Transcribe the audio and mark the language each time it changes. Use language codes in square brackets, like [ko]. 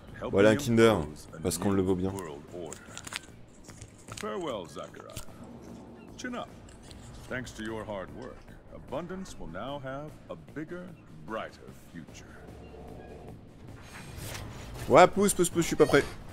[fr] Voilà un Kinder, parce qu'on le vaut bien. [en] Farewell, Zachariah. Chin up. Thanks to your hard work, Abundance will now have a bigger, brighter future. [fr] Ouais, pousse, pousse, pousse, je suis pas prêt.